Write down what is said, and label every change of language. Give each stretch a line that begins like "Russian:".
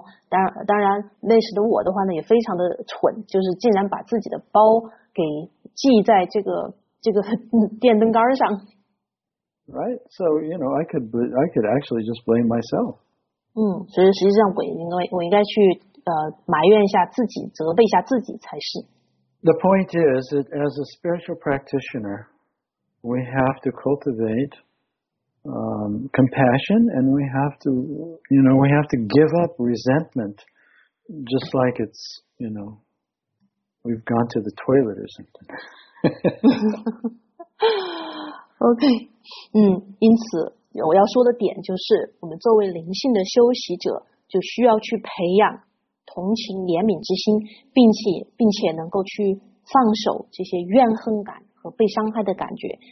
Chinese: 当然，那时的我的话呢，也非常的蠢，就是竟然把自己的包给系在这个电灯杆上。
English: Right, so I could actually just blame myself.
Chinese: 所以实际上我应该去埋怨一下自己，责备一下自己才是。
English: The point is that as a spiritual practitioner, we have to cultivate compassion, and we have to give up resentment, just like it's, we've gone to the toilet or something.
Chinese: OK，因此我要说的点就是，我们作为灵性的修习者，就需要去培养同情、怜悯之心，并且能够去放手这些怨恨感和被伤害的感觉。